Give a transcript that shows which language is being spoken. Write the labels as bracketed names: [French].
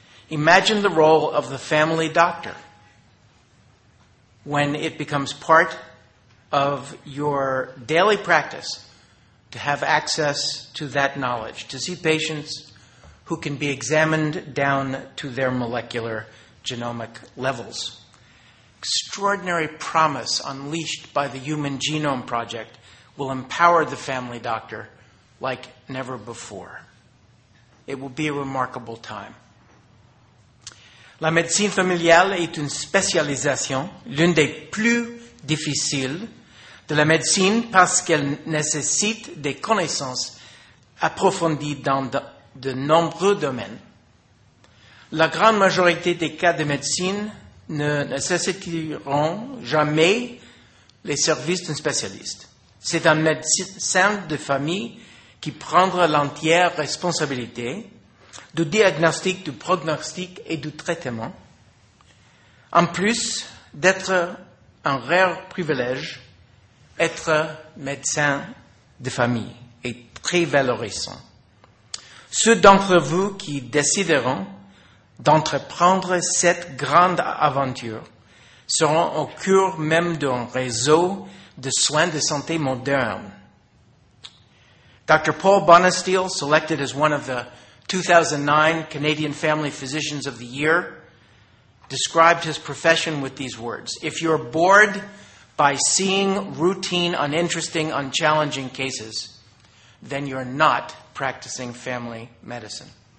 [English] Imagine the role of the family doctor when it becomes part of your daily practice to have access to that knowledge, to see patients who can be examined down to their molecular genomic levels. Extraordinary promise unleashed by the Human Genome Project will empower the family doctor like never before. It will be a remarkable time. [French] La médecine familiale est une spécialisation, l'une des plus difficiles de la médecine parce qu'elle nécessite des connaissances approfondies dans de nombreux domaines. La grande majorité des cas de médecine ne nécessiteront jamais les services d'un spécialiste. C'est un médecin de famille qui prendra l'entière responsabilité du diagnostic, du prognostic et du traitement. En plus d'être un rare privilège, être médecin de famille est très valorisant. Ceux d'entre vous qui décideront d'entreprendre cette grande aventure seront au cœur même d'un réseau de soins de santé modernes. [English] Dr. Paul Bonesteel, selected as one of the 2009 Canadian Family Physicians of the Year, described his profession with these words. If you're bored by seeing routine, uninteresting, unchallenging cases, then you're not practicing family medicine.